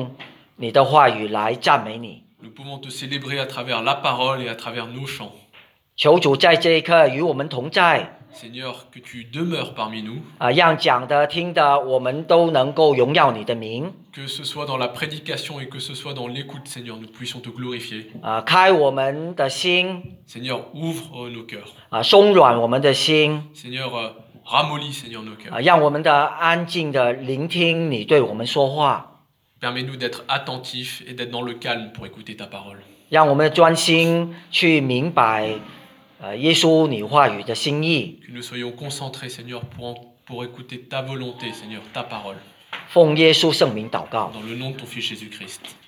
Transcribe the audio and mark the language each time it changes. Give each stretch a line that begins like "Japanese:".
Chinese: 让我们能够在这一刻用诗歌，用你的话语来赞美你.
French: Nous pouvons te célébrer à travers la parole et à travers nos chants.
Chinese: 求主在这一刻与我们同在,
French: Seigneur, que tu demeures parmi nous,
Chinese: 让讲的听的我们都能够荣耀你的名,
French: que ce soit dans la prédication et que ce soit dans l'écoute, Seigneur, nous puissions te glorifier.
Chinese: 开我们的心,
French: Seigneur, ouvre nos cœurs.
Chinese: 松软我们的心,
French: Seigneur, ramollis, Seigneur, nos cœurs.
Chinese: 让我们的安静的聆听你对我们说话,
French: permets-nous d'être attentifs et d'être dans le calme pour écouter ta parole.
Chinese: 让我们专心去明白 耶稣你话语的心意,
French: que nous soyons concentrés, Seigneur, pour écouter ta volonté, Seigneur, ta parole.
Chinese: 奉耶稣圣名祷告,
French: dans le nom de ton Fils Jésus-Christ.